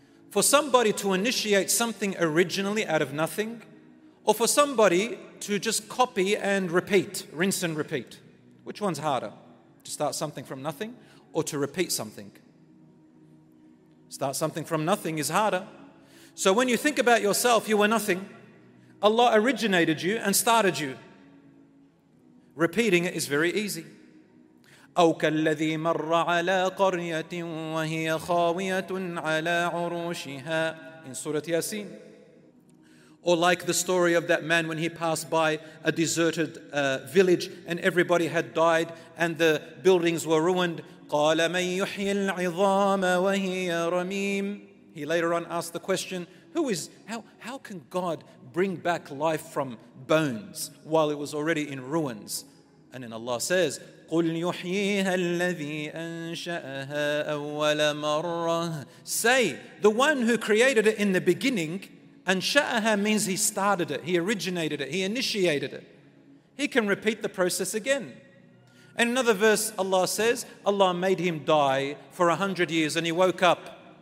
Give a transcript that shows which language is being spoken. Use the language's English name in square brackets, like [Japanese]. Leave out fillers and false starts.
[English] For somebody to initiate something originally out of nothing, or for somebody to just copy and repeat, rinse and repeat? Which one's harder? To start something from nothing or to repeat something? Start something from nothing is harder. So when you think about yourself, you were nothing. Allah originated you and started you. Repeating it is very easy. [Arabic] أو كالذي مر على قرية وهي خاوية على عروشها in Surah Yasin. [English] Or like the story of that man when he passed by a deserted village and everybody had died and the buildings were ruined. [Arabic] قال من يحيي العظام وهي رميم. [English] He later on asked the question, how can God bring back life from bones while it was already in ruins? [Arabic] And then Allah says, قُلْ يُحْيِيهَا الَّذِي أَنْشَأَهَا أَوَّلَ مَرَّةٍ. [English] Say, the one who created it in the beginning, أَنْشَأَهَا means he started it, he originated it, he initiated it. He can repeat the process again. In another verse, Allah says, Allah made him die for 100 years and he woke up.